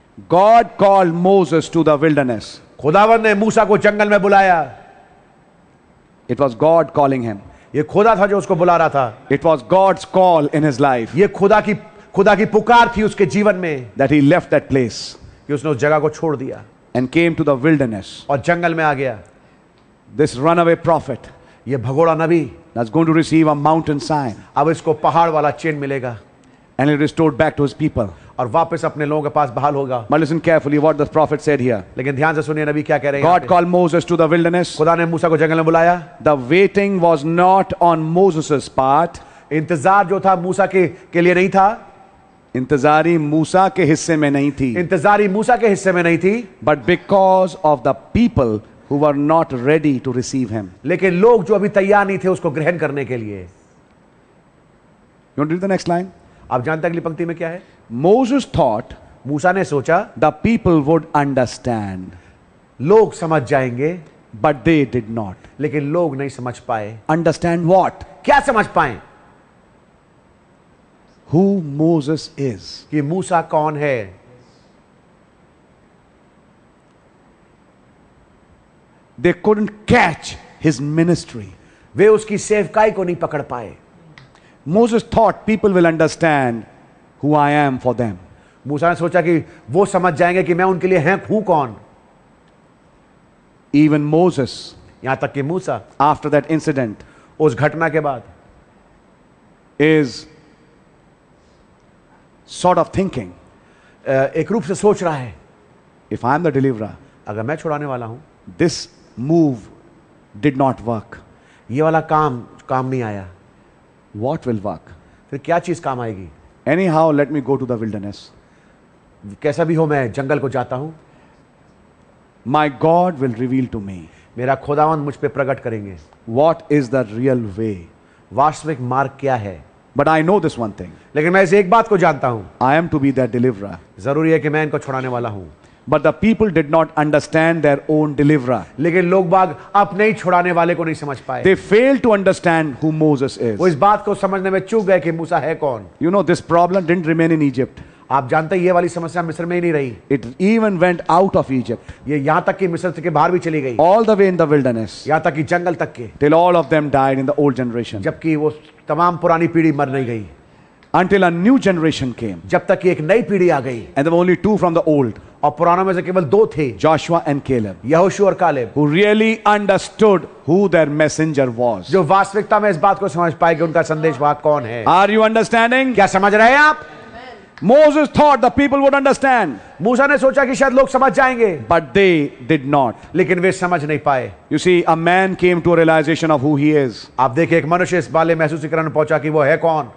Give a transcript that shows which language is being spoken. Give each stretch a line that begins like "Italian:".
English: God called Moses to the wilderness.
Hindi: खुदावंद ने मूसा को जंगल में बुलाया.
English: It was God calling him.
Hindi: ये खुदा था जो उसको बुला रहा था.
English: It was God's call in his life.
Hindi: ये खुदा की पुकार थी उसके जीवन में.
English: That he left that place.
Hindi: कि उसने उस जगह को छोड़ दिया.
English: And came to the wilderness.
Hindi: और जंगल में आ गया.
English: This runaway prophet.
Hindi: ये भगोड़ा नबी.
English: That's going to receive a mountain sign.
Hindi: अब इसको पहाड़ वाला चिन्ह मिलेगा.
English: And he restored back to his people.
Hindi: और वापस अपने लोगों के पास बहाल होगा.
English: But listen carefully what the prophet said here.
Hindi: लेकिन ध्यान से सुनिए नबी क्या कह रहे हैं.
English: God called Moses to the wilderness.
Hindi: खुदा ने मूसा को जंगल में बुलाया.
English: The waiting was not on Moses's part.
Hindi: इंतजार जो था मूसा के लिए नहीं था. इंतजारी मूसा के हिस्से में नहीं थी. इंतजारी मूसा के हिस्से में नहीं थी.
English: But because of the people who were not ready to receive him.
Hindi: लेकिन लोग जो अभी तैयार नहीं थे उसको ग्रहण करने के लिए.
English: You want to read the next line?
Hindi: आप जानते हैं अगली पंक्ति में क्या है.
English: Moses thought,
Hindi: मूसा ने सोचा,
English: the people would understand,
Hindi: लोग समझ जाएंगे,
English: but they did not,
Hindi: लेकिन लोग नहीं समझ पाए.
English: Understand what?
Hindi: क्या समझ पाए?
English: Who Moses is?
Hindi: कि मूसा कौन है?
English: They couldn't catch his ministry.
Hindi: वे उसकी सेवकाई को नहीं पकड़ पाए.
English: Moses thought people will understand who I am for them.
Hindi: मूसा ने सोचा कि वो समझ जाएंगे कि मैं उनके लिए हैं हूं कौन.
English: Even Moses,
Hindi: यहां तक कि मूसा,
English: after that incident,
Hindi: उस घटना के बाद,
English: is sort of thinking,
Hindi: एक रूप से सोच रहा है,
English: if I am the deliverer,
Hindi: अगर मैं छुड़ाने वाला हूं,
English: this move did not work.
Hindi: ये वाला काम नहीं आया.
English: What will work?
Hindi: फिर क्या चीज काम आएगी?
English: Anyhow, let me go to the wilderness.
Hindi: कैसा भी हो मैं जंगल को जाता हूं.
English: My God will reveal to me.
Hindi: मेरा खुदावंद मुझ पे प्रकट करेंगे.
English: What is the real way?
Hindi: वास्तविक मार्ग क्या है?
English: But I know this one thing.
Hindi: लेकिन मैं इस एक बात को जानता हूं.
English: I am to be their deliverer.
Hindi: जरूरी है कि मैं इनको छुड़ाने वाला हूं.
English: But the people did not understand their own deliverer.
Hindi: लेकिन लोग बाग अपने ही छुड़ाने वाले को नहीं समझ पाए.
English: They failed to understand who Moses is.
Hindi: वो इस बात को समझने में चूक गए कि मूसा है कौन.
English: You know this problem didn't remain in Egypt.
Hindi: आप जानते हैं ये वाली समस्या मिस्र में ही नहीं रही.
English: It even went out of Egypt.
Hindi: ये यहाँ तक कि मिस्र से के बाहर भी चली गई.
English: All the way in the wilderness.
Hindi: यहाँ तक कि जंगल तक के.
English: Till all of them died in the old generation.
Hindi: जबकि वो तमाम पुरानी पीढ़ी मर नहीं गई.
English: Until a new generation came.
Hindi: जब तक कि एक नई पीढ़ी आ गई.
English: And there were only two from the old.
Hindi: और पुराने में से केवल दो थे.
English: Joshua and Caleb.
Hindi: यहोशू और Caleb.
English: Who really understood who their messenger was.
Hindi: जो वास्तविकता में इस बात को समझ पाए कि उनका संदेशवाहक कौन है.
English: Are you understanding?
Hindi: क्या समझ रहे हैं आप?
English: Moses thought the people would understand.
Hindi: मूसा ने सोचा कि शायद लोग समझ जाएंगे.
English: But they did not.
Hindi: लेकिन वे समझ नहीं पाए.
English: You see, a man came to a realization of who he is.
Hindi: आप देखिए एक मनुष्य इस बाले महसूसीकरण पहुंचा कि वो है कौन.